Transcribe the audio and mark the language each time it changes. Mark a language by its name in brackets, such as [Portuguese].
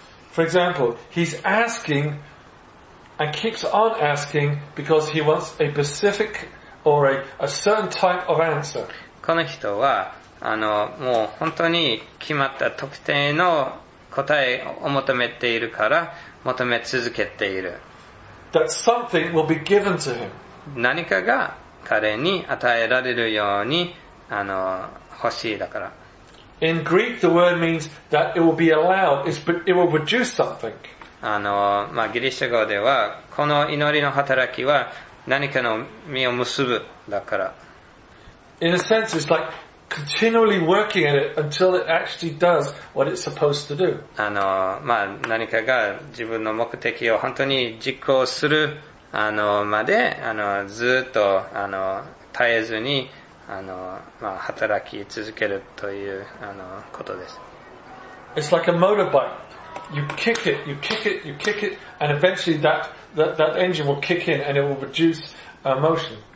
[English] For example, he's asking and keeps on asking because he wants a specific or a certain type of answer. [Japanese] この人は、もう本当に決まった特定の答えを求めているから、求め続けている。 [English] That something will be given to him. [Japanese] 何かが彼に与えられるように欲しいだから。 [English] In Greek, the word means that it will be allowed, it will produce something. [Japanese] まあ、ギリシャ語ではこの祈りの働きは何かの実を結ぶだから。 [English] In a sense, it's like continually working at it until it actually does what it's supposed to do. [Japanese] まあ、何かが自分の目的を本当に実行するあのまで、あのずっとあの絶えずに、あの、まあ、働き続けるという、あの、ことです。 [English] It's like a motorbike. You kick it, you kick it, you kick it, and eventually that engine will kick in and it will produce motion.